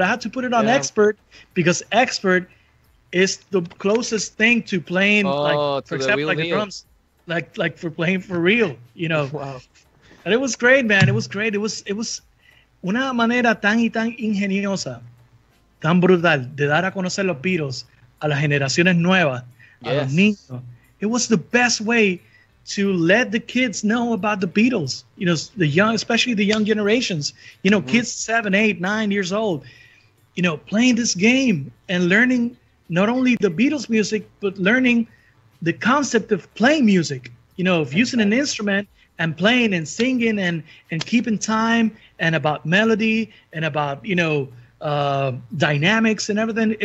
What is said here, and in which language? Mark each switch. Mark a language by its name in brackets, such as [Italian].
[English] I had to put it on expert because expert is the closest thing to playing, for example, the drums. Like for playing for real, you know. Wow. And it was great, man. It was great. It was [Spanish] una manera tan y tan ingeniosa, tan brutal, de dar a conocer los Beatles a las generaciones nuevas, a los niños. [English] It was the best way to let the kids know about the Beatles, you know, the young, especially the young generations, you know, kids 7, 8, 9 years old, you know, playing this game and learning not only the Beatles music, but learning the concept of playing music, you know, of using an instrument and playing and singing and keeping time and about melody and about, you know, dynamics and everything.